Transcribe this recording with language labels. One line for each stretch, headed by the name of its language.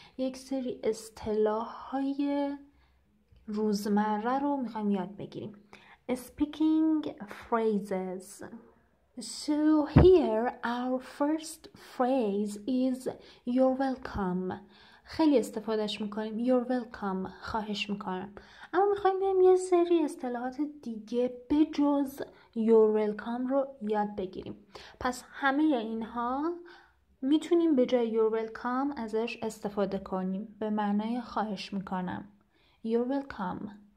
Persian: یک سری اصطلاح‌های روزمره رو می‌خوایم یاد بگیریم.
English: Speaking phrases. So here our first phrase is you're welcome.
Persian: خیلی استفادهش میکنیم.
English: You're welcome.
Persian: خواهش میکنم. اما میخوایم بیاییم یه سری اصطلاحات دیگه بجز
English: you're welcome
Persian: رو یاد بگیریم. پس همه اینها میتونیم به جای
English: you're welcome
Persian: ازش استفاده کنیم. به معنای خواهش میکنم.
English: You're welcome.